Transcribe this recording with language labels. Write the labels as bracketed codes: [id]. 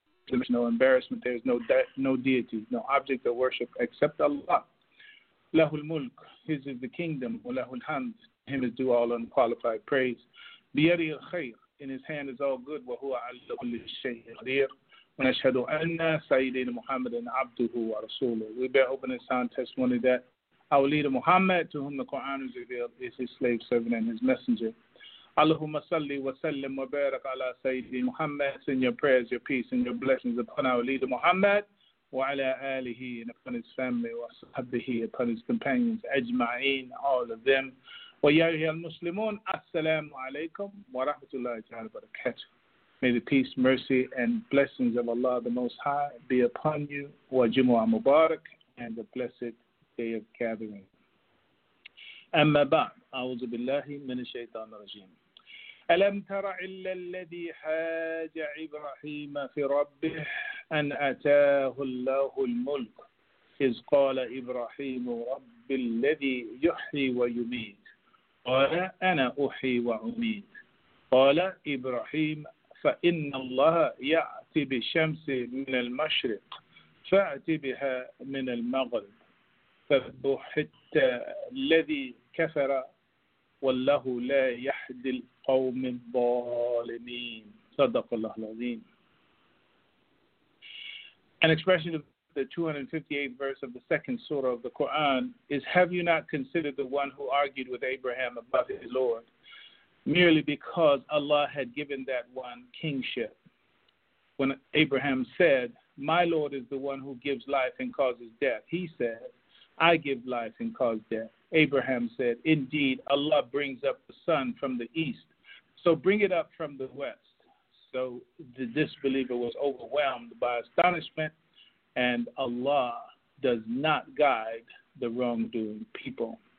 [en] there's no embarrassment there's no deity no object of worship except Allah [ar] له الملك [en] his is the kingdom [ar] وله الحمد [en] Him is due all unqualified praise. [ar] بيدي الخير. [en] In His hand is all good. [ar] وهو على كل شيء قدير. ونشهد أن سيدنا محمد عبده ورسوله. [en] We bear open and sound testimony that our leader Muhammad, to whom the Quran is revealed, is His slave servant and His messenger. [ar] اللهم صل وسلم وبارك على سيدنا محمد. [en] Send your prayers, your peace, and your blessings upon our leader Muhammad. [ar] وعلى آله [en] and upon his family. [ar] وصحبه [en] upon his companions. [ar] أجمعين [en] all of them. [ar] وَيَعْيَا الْمُسْلِمُونَ السَّلَامُ عَلَيْكُمْ وَرَحْمَةُ اللَّهِ تَعَالَى وَبَرَكَاتُهُ [en] May the peace, mercy, and blessings of Allah the Most High be upon you, [ar] وَجُمُعَ مُبَارَكُ [en] and the blessed day of gathering. [ar] أَمَّا بَعْدُ أَعُوذُ بِاللَّهِ مِنَ الشَّيْطَانِ الرَّجِيمِ أَلَمْ تَرَ إِلَّا الَّذِي حَاجَ إِبْرَاهِيمَ فِي رَبِّهِ أَنْ أَتَاهُ اللَّهُ الْمُلْكُ إِذْ قَالَ إِبْرَاهِيمُ رَبِّ الَّذِي يُحْيِي وَيُمِيتُ قال أنا أحي وأميت قال إبراهيم فإن الله يأتي بشمس من المشرق فأتي بها من المغرب فبحت الذي كفر والله لا يهدي القوم الظالمين صدق الله العظيم [en] An expression of the 258th verse of the second surah of the Quran is, Have you not considered the one who argued with Abraham about his Lord merely because Allah had given that one kingship? When Abraham said, My Lord is the one who gives life and causes death, he said, I give life and cause death. Abraham said, Indeed, Allah brings up the sun from the east, so bring it up from the west. So the disbeliever was overwhelmed by astonishment, and Allah does not guide the wrongdoing people.